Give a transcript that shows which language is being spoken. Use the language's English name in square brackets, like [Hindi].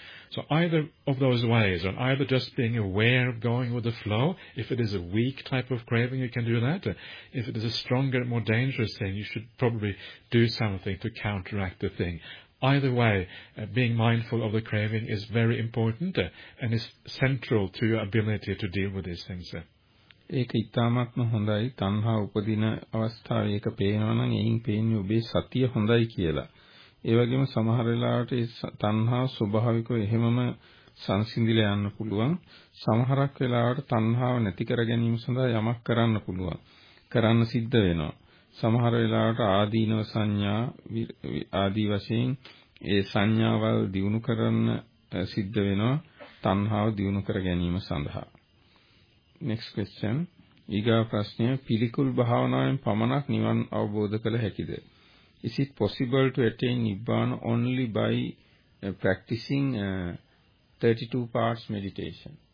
[English] So either of those ways, or either just being aware of going with the flow, if it is a weak type of craving, you can do that. If it is a stronger, more dangerous thing, you should probably do something to counteract the thing. Either way, being mindful of the craving is very important and is central to your ability to deal with these things. [Sinhala] ඒක ඉතාමත්ම හොඳයි. තණ්හා උපදින අවස්ථාවේ ඒක පේනවා නම් එයින් පේන්නේ ඔබේ සතිය හොඳයි කියලා. ඒ වගේම සමහර වෙලාවට ඒ තණ්හා ස්වභාවිකව එහෙමම සංසිඳිලා යන්න පුළුවන්. සමහරක් වෙලාවට තණ්හාව නැති කර ගැනීම සඳහා යමක් කරන්න පුළුවන්. කරන්න සිද්ධ වෙනවා. සමහර වෙලාවට ආදීනව සංඥා ආදී වශයෙන් ඒ සංඥාවල් දිනු කරන්න සිද්ධ වෙනවා තණ්හාව දිනු කර ගැනීම සඳහා. [English] Next question. [Sinhala] ඊගා ප්‍රශ්නය පිළිකුල් භාවනාවෙන් පමණක් නිවන් අවබෝධ කළ හැකිද? [English] Is it possible to attain Nibbana only by practicing 32 parts meditation?